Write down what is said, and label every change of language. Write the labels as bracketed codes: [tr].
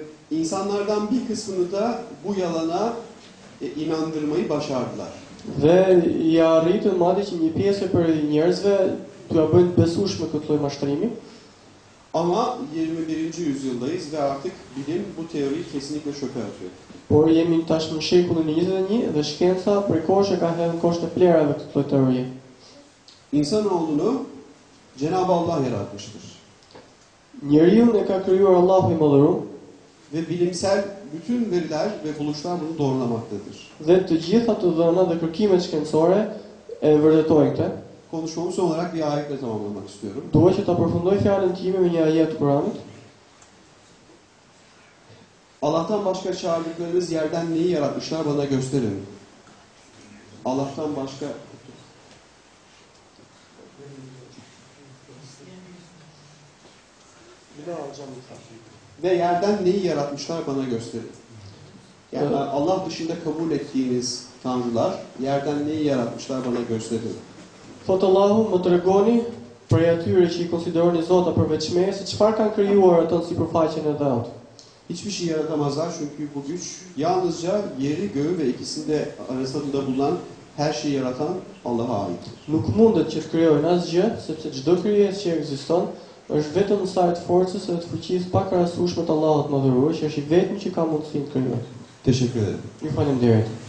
[tr] İnsanlardan bir kısmını da bu yalana inandırmayı başardılar. [sq] Ve ja arritën madje që një pjesë për njerëzve t'ua bëjnë besueshme këtë lloj mashtrimi. [tr] Ama 21. yüzyıldayız ve artık bilim bu teoriyi kesinlikle çöpe atıyor. [sq] Por jemi tash në shekullin 21 dhe shkenca prej kohësh ka hedhur kosht e plerave të këtij teorie. [tr] İnsanoğlunu Cenab-ı Allah yaratmıştır. [sq] Njeriu e ka krijuar Allahu i madhëruar [tr] ve bilimsel bütün veriler ve buluşlar bunu doğrulamaktadır. [sq] Dhe të gjitha të dhëna dhe kërkimet shkencore e vërtetojnë këtë. [tr] Konuşmamı son olarak bir ayetle tamamlamak istiyorum. [sq] Dua që ta përfundoj fjalën time me një ajet të Kur'anit. [tr] Allah'tan başka çağırdıklarınız yerden neyi yaratmışlar bana gösterin. Allah'tan başka... Bir daha alacağım bir tane. Ve yerden neyi yaratmışlar bana gösterin. Yani evet. Allah dışında kabul ettiğiniz tanrılar yerden neyi yaratmışlar bana gösterin. [sq] Thot Allahu më tregoni prej atyre që i konsideroni Zota për veçme, se çfarë kanë krijuar ato në sipërfaqen e dhëut. [tr] Hiçbir şey yaratamazlar çünkü bu güç yalnızca yeri, göğü ve ikisini de arasında bulunan her şeyi yaratan Allah'a ait. [sq] Nuk mundet që të krijojnë asgjë, sepse çdo krijesë që ekziston është vetëm në sajt forcës dhe të fuqisë pa krahasueshme të Allahut madhëruar, që është i vetmi që ka mundësi të krijojë. Të shkëlqyer. Ju faleminderit.